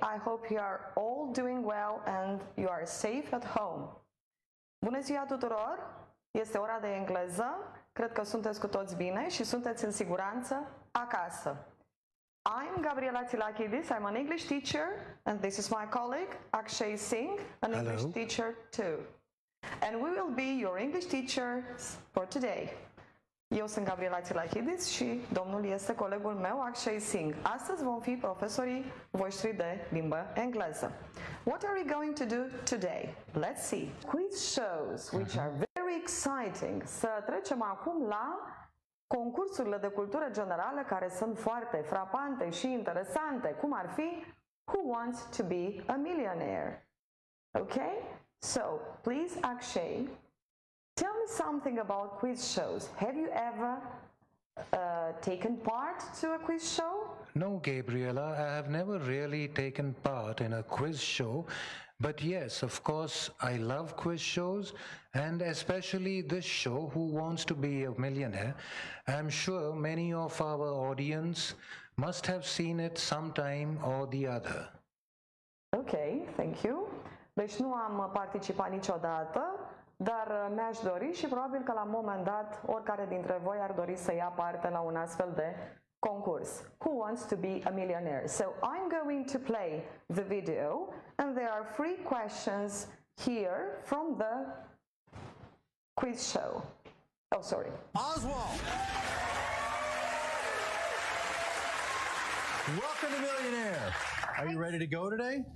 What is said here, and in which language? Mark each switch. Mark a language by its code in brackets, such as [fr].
[en] I hope you are all doing well and you are safe at home. [ro] Bună ziua tuturor! Este ora de engleză. Cred că sunteți cu toți bine și sunteți în siguranță acasă. [en] I'm Gabriela Tsilakidis. I'm an English teacher and this is my colleague Akshay Singh, an Hello. English teacher too. And we will be your English teachers for today. [ro] Eu sunt Gabriela Tsilakidis și domnul este colegul meu, Akshay Singh. Astăzi vom fi profesorii voștri de limbă engleză. [en] What are we going to do today? Let's see. Quiz shows, which are very exciting. [ro] Să trecem acum la concursurile de cultură generală care sunt foarte frapante și interesante, cum ar fi Who Wants to be a Millionaire? [en] Ok? So, please, Akshay, tell me something about quiz shows. Have you ever taken part to a quiz show? No, Gabriela, I have never really taken part in a quiz show. But yes, of course, I love quiz shows, and especially this show, Who Wants to be a Millionaire? I'm sure many of our audience must have seen it sometime or the other. Okay, thank you. [ro] Deci nu am participat niciodată, dar mi-aș dori și probabil că la un moment dat oricare dintre voi ar dori să ia parte la un astfel de concurs. [en] Who wants to be a millionaire? So I'm going to play the video and there are three questions here from the quiz show. Oh, sorry. Oswald! Welcome to Millionaire! Are you ready to go today?